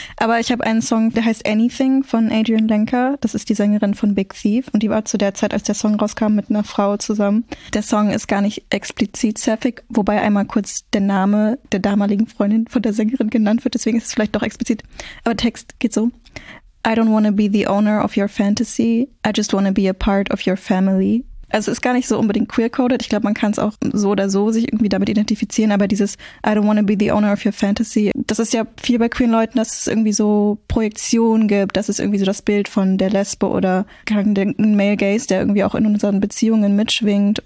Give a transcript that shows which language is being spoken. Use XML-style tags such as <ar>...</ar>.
<de>Aber ich habe einen Song, der heißt Anything von Adrienne Lenker. Das ist die Sängerin von Big Thief und die war zu der Zeit, als der Song rauskam, mit einer Frau zusammen. Der Song ist gar nicht explizit sapphic, wobei einmal kurz der Name der damaligen Freundin von der Sängerin genannt wird, deswegen ist es vielleicht doch explizit. Aber Text geht so.</de> <en>I don't wanna be the owner of your fantasy, I just wanna be a part of your family.</en> <de>Also es ist gar nicht so unbedingt queer-coded. Ich glaube, man kann es auch so oder so sich irgendwie damit identifizieren. Aber dieses</de> <en>I don't want to be the owner of your fantasy,</en> <de>das ist ja viel bei queeren Leuten, dass es irgendwie so Projektionen gibt. Das ist irgendwie so das Bild von der Lesbe oder ein Male Gaze, der irgendwie auch in unseren Beziehungen mitschwingt.</de>